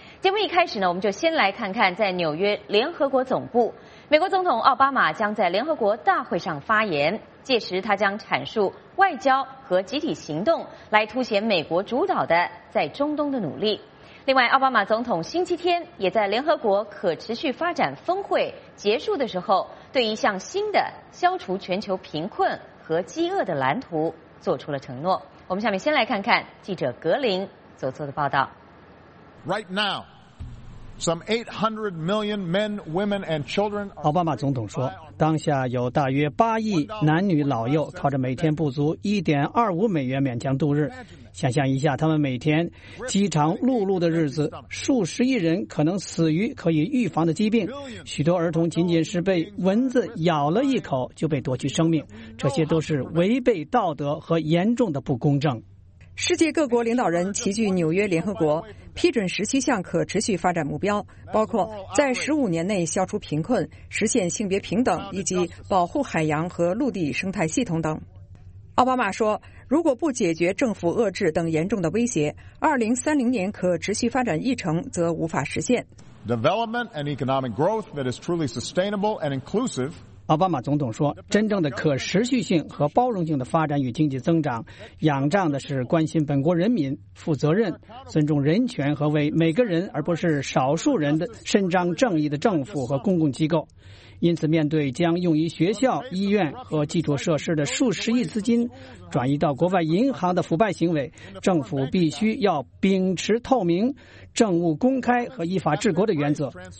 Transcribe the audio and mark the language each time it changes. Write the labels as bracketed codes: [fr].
[zh] 节目一开始呢，我们就先来看看在纽约联合国总部，美国总统奥巴马将在联合国大会上发言，届时他将阐述外交和集体行动来凸显美国主导的在中东的努力。另外，奥巴马总统星期天也在联合国可持续发展峰会结束的时候，对一项新的消除全球贫困和饥饿的蓝图做出了承诺。我们下面先来看看记者格林所做的报道。 [en] Right now, some 800 million men, women, and children. [zh] 奥巴马总统说，当下有大约8亿男女老幼靠着每天不足1.25美元勉强度日。想象一下，他们每天饥肠辘辘的日子，数十亿人可能死于可以预防的疾病，许多儿童仅仅是被蚊子咬了一口就被夺去生命，这些都是违背道德和严重的不公正。世界各国领导人齐聚纽约联合国，批准17项可持续发展目标，包括在15年内消除贫困、实现性别平等以及保护海洋和陆地生态系统等。奥巴马说，如果不解决政府遏制等严重的威胁，2030年可持续发展议程则无法实现。 [en] Development and economic growth that is truly sustainable and inclusive. [zh] 奥巴马总统说，真正的可持续性和包容性的发展与经济增长仰仗的是关心本国人民、负责任、尊重人权和为每个人而不是少数人的伸张正义的政府和公共机构。因此，面对将用于学校、医院和基础设施的数十亿资金转移到国外银行的腐败行为，政府必须要秉持透明、政务公开和依法治国的原则。